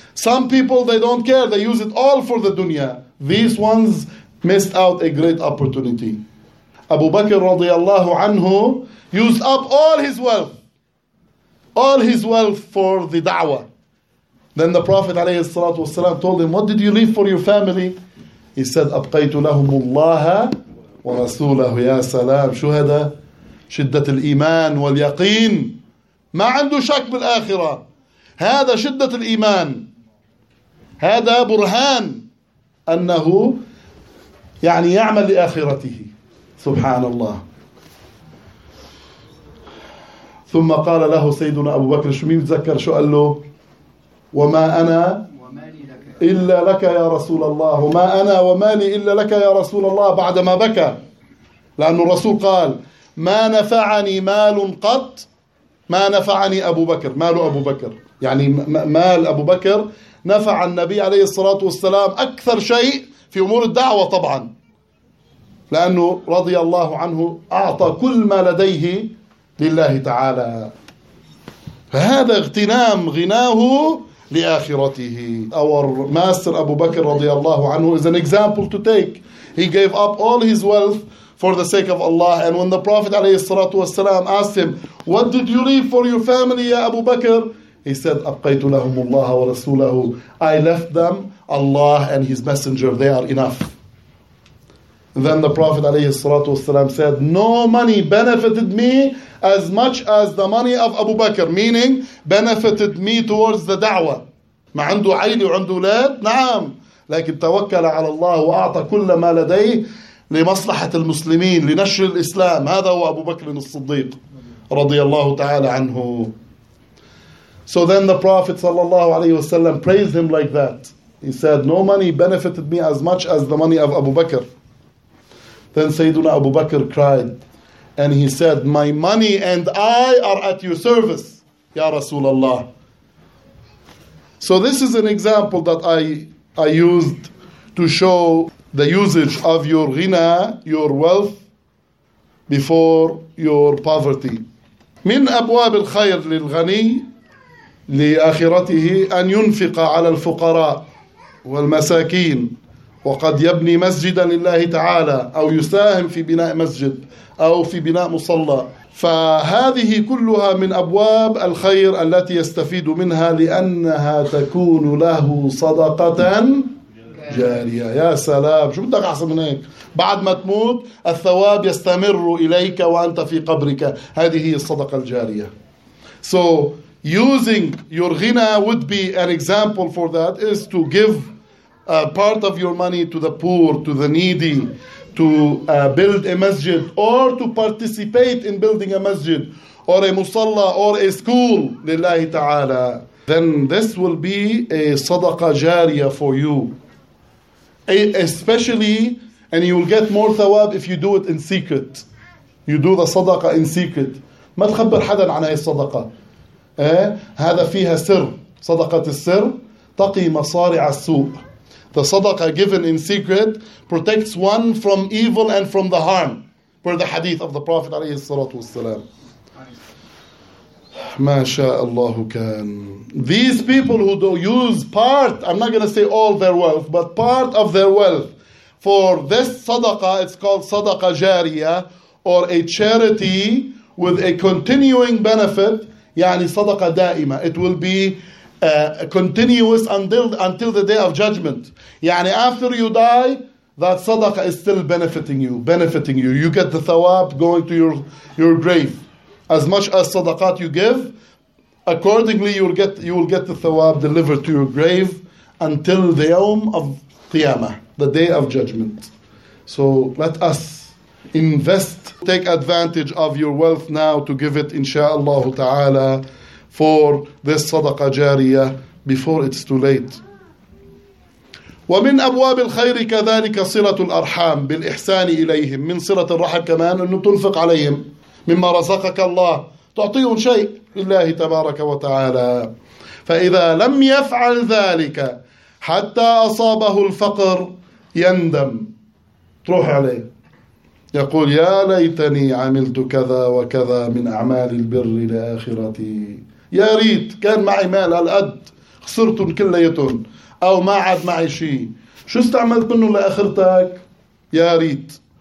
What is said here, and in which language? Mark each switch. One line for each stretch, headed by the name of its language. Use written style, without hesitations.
English: Some people, they don't care, they use it all for the dunya. These ones missed out a great opportunity. Abu Bakr
Arabic: radiallahu anhu
English: used up all his wealth for the da'wah. Then the Prophet
Arabic: عليه الصلاة والسلام
English: told him, what did you leave for your family? He said,
Arabic: أَبْقَيْتُ لَهُمُ اللَّهَ وَرَسُولَهُ. يَا سَلَامُ شُهَدَ شِدَّةِ الْإِيمَانِ وَالْيَقِينِ. ما عنده شك بالآخرة، هذا شدة الإيمان، هذا برهان أنه يعني يعمل لآخرته. سبحان الله. ثم قال له سيدنا أبو بكر، شو مين تذكر شو قال له؟ وما أنا إلا لك يا رسول الله، وما أنا ومالي إلا لك يا رسول الله، بعدما بكى. لأن الرسول قال ما نفعني مال قط، ما نفعني أبو بكر، مال أبو بكر يعني مال أبو بكر نفع النبي عليه الصلاة والسلام أكثر شيء في أمور الدعوة طبعا، لأنه رضي الله عنه أعطى كل ما لديه لله تعالى، فهذا اغتنام غناه لآخرته.
English: Our master Abu Bakr
Arabic: رضي الله عنه
English: is an example to take. He gave up all his wealth for the sake of Allah. And when the Prophet
Arabic: عليه الصلاة والسلام
English: asked him, what did you leave for your family, ya Abu Bakr? He said,
Arabic: أبقيت لهم الله ورسوله.
English: I left them Allah and His Messenger. They are enough. Then the Prophet
Arabic: عليه الصلاة والسلام
English: said, no money benefited me as much as the money of Abu Bakr, meaning benefited me towards the da'wah.
Arabic: ما عنده عين وعنده أولاد؟ نعم، لكن توكل على الله وأعطى كل ما لديه لمصلحة المسلمين، لنشر الإسلام. هذا هو أبو بكر الصديق رضي الله تعالى عنه.
English: So then the Prophet
Arabic: صلى الله عليه وسلم
English: praised him like that. He said, no money benefited me as much as the money of Abu Bakr. Then Sayyiduna Abu Bakr cried and he said, my money and I are at your service, Ya Rasulallah. So this is an example that I used to show the usage of your ghina, your wealth, before your poverty.
Arabic: من أبواب الخير للغني لآخرته أن ينفق على الفقراء والمساكين، وقد يبني مسجدا لله تعالى أو يساهم في بناء مسجد أو في بناء مصلى. فهذه كلها من أبواب الخير التي يستفيد منها، لأنها تكون له صدقة جارية. يا سلام، شو بدك أحسن من هيك؟ بعد ما تموت الثواب يستمر إليك وأنت في قبرك، هذه هي الصدقة الجارية.
English: So using your ghina would be an example for that, is to give a part of your money to the poor, to the needy, to build a masjid, or to participate in building a masjid, or a musalla, or a school,
Arabic: لله تعالى.
English: Then this will be a sadaqah jariyah for you. Especially, and you will get more thawab if you do it in secret. You do the sadaqah in secret.
Arabic: ما تخبر حدا عن هاي الصدقه. هذا فيها سر. صدقه السر تقي مصارع السوء.
English: The sadaqah given in secret protects one from evil and from the harm, per the hadith of the Prophet
Arabic: عليه الصلاة والسلام. ما شاء الله كان.
English: These people who do use part, I'm not going to say all their wealth, but part of their wealth for this sadaqah, it's called sadaqah jariyah, or a charity with a continuing benefit,
Arabic: يعني صدقة دائمة.
English: It will be continuous until the day of judgment. يعني after you die, that صدقة is still benefiting you. You get the thawab going to your grave. As much as صدقات you give, accordingly you will get the thawab delivered to your grave until the يوم of قيامة, the day of judgment. So let us invest, take advantage of your wealth now to give it, insha'Allah ta'ala, for this sadaqah jariyah before it's too late.
Arabic: ومن أبواب الخير كذلك صلة الأرحام بالإحسان إليهم. من صلة الرحم كمان أنه تنفق عليهم مما رزقك الله, تعطيهم شيء لله تبارك وتعالى. فإذا لم يفعل ذلك حتى أصابه الفقر يندم, تروح عليه يقول يا ليتني عملت كذا وكذا من أعمال البر لآخرتي, يا ريت كان معي مال هالقد خسرتهم كليتهم, أو ما عاد معي شيء, شو استعملت منه لآخرتك, يا ريت.